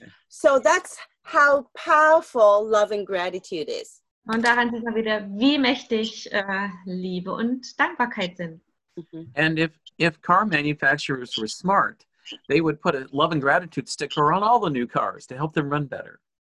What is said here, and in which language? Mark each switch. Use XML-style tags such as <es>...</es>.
<en>So that's how powerful love and gratitude is.</en> <de>Und daran sieht man wieder, wie mächtig Liebe und Dankbarkeit sind. Mhm. Mm-hmm.</de> <en>And if car manufacturers were smart, they would put a love and gratitude sticker on all the new cars to help them run better.</en>